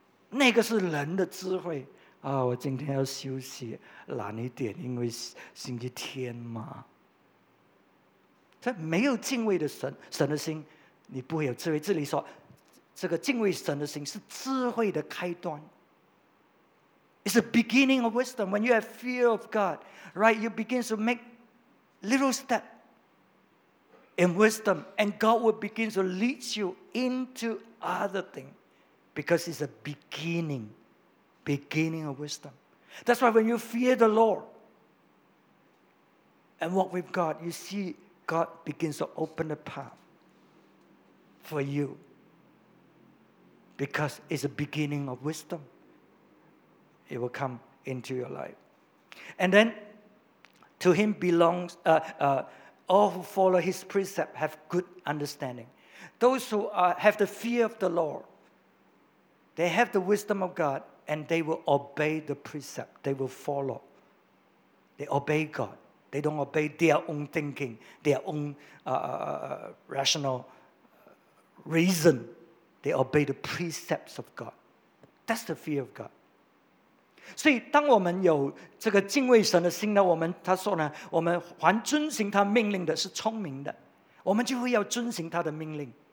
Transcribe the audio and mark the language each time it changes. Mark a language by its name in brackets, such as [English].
[Chinese] 那个是人的智慧, 啊, 我今天要休息懒一点, 因为星期天嘛。没有敬畏的神, 神的心, 你不会有智慧。这里说, 这个敬畏神的心, 是智慧的开端。 [English] It's the beginning of wisdom. When you have fear of God, right, you begin to make little steps in wisdom, and God will begin to lead you into other things. Because it's a beginning, beginning of wisdom. That's why when you fear the Lord and walk with God, you see God begins to open the path for you. Because it's a beginning of wisdom. It will come into your life. And then, to him belongs, all who follow his precept have good understanding. Those who have the fear of the Lord, they have the wisdom of God, and they will obey the precept. They will follow. They obey God. They don't obey their own thinking, their own rational reason. They obey the precepts of God. That's the fear of God. [Chinese] 所以当我们有这个敬畏神的心呢, 他说呢, 我们还遵循他命令的是聪明的, 我们就会要遵循他的命令。